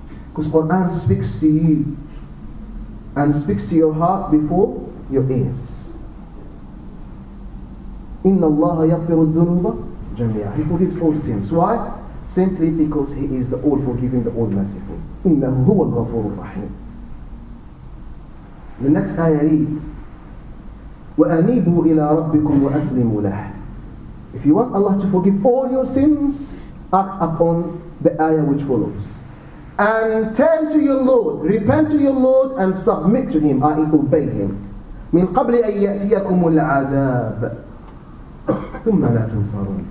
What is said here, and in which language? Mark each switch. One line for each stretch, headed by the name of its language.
English: Because Quran speaks to you and speaks to your heart before your ears.
Arabic: إِنَّ اللَّهَ يَغْفِرُ الذُّنُوبَ جَمِيعًا.
English: He forgives all sins. Why? Simply because He is the all-forgiving, the all-merciful.
Arabic: إِنَّهُ هُوَ الْغَفُورُ الرَّحِيمُ.
English: The next ayah reads,
Arabic: وَأَنِيبُوا إِلَىٰ رَبِّكُمْ وَأَسْلِمُوا لَهُ.
English: If you want Allah to forgive all your sins, act upon the ayah which follows. And turn to your Lord, repent to your Lord, and submit to Him, i.e. obey Him.
Arabic: مِنْ قَبْلِ أَن يَأْتِيَكُمُ الْعَذَابِ ثُمَّ لَا تُنْصَرُونَ.